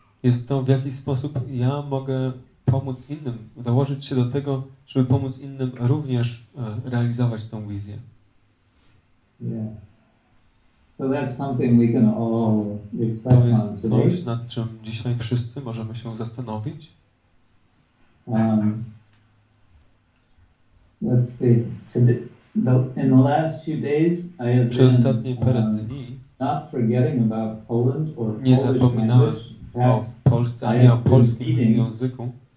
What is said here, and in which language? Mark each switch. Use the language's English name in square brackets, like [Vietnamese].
[Polish] Jest to, w jaki sposób ja mogę pomóc innym, dołożyć się do tego, żeby pomóc innym również realizować tą wizję. [English] Yeah. So that's something we can all reflect on. [Polish] To jest coś, nad czym dzisiaj wszyscy możemy się zastanowić. [English] Let's see. In the last few days, I have [Polish] przez ostatnie parę dni [English] not forgetting about Poland or [Polish] nie zapominałem o Polsce, ani o polskim języku.